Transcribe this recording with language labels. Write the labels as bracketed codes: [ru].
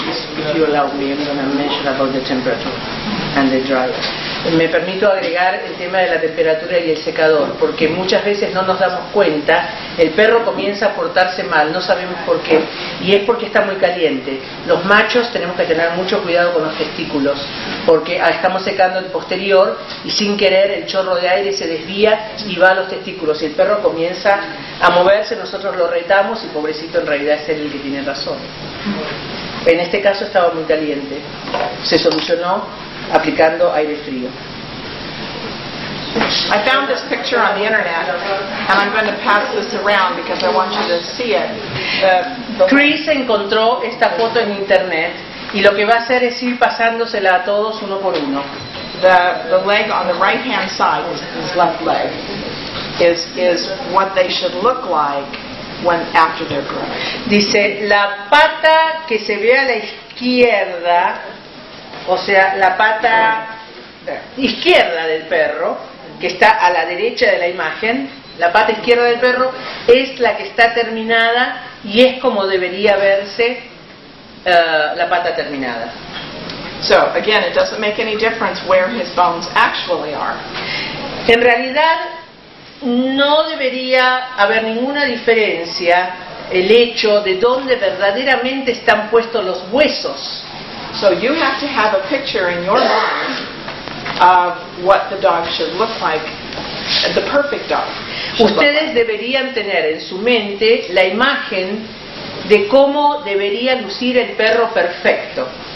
[en] If you allow me, I'm going to mention about the temperature and the dryer. [es] Me permito agregar el tema de la temperatura y el secador, porque muchas veces no nos damos cuenta, el perro comienza a portarse mal, no sabemos por qué, y es porque está muy caliente. Los machos tenemos que tener mucho cuidado con los testículos, porque estamos secando el posterior y sin querer el chorro de aire se desvía y va a los testículos. Y el perro comienza a moverse, nosotros lo retamos y pobrecito, en realidad es él el que tiene razón. En este caso estaba muy caliente, se solucionó aplicando aire frío. [en] I found this picture on the internet and I'm going to pass this around because I want you to see it. [es] Chris encontró esta foto en internet y lo que va a hacer es ir pasándosela a todos uno por uno. [en] The leg on the right hand side, his left leg, is what they should look like when after they're grown. [es] Dice, la pata que se ve a la izquierda, o sea, la pata izquierda del perro, que está a la derecha de la imagen, la pata izquierda del perro es la que está terminada y es como debería verse la pata terminada. [en] So, again, it doesn't make any difference where his bones actually are. [es] En realidad, no debería haber ninguna diferencia el hecho de dónde verdaderamente están puestos los huesos. [en] So you have to have a picture in your mind of what the dog should look like, the perfect dog. [es] Ustedes deberían tener en su mente la imagen de cómo debería lucir el perro perfecto.